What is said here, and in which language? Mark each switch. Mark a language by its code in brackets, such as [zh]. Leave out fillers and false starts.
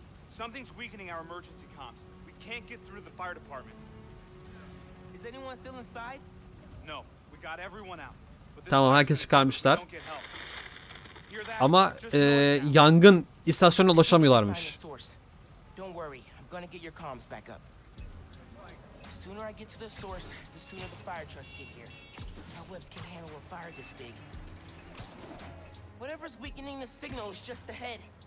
[en] Something's weakening our emergency comms. We can't get through the fire department. Is anyone still inside? No, we got everyone out. [tr] Tamam, herkes çıkarmışlar. Ama yangın istasyonuna ulaşamıyorlarmış. [en] Don't worry, I'm gonna get your comms back up. The sooner I get to the source, the sooner the fire trucks get here. How webs can handle a fire this big. Whatever's weakening the signal is just ahead.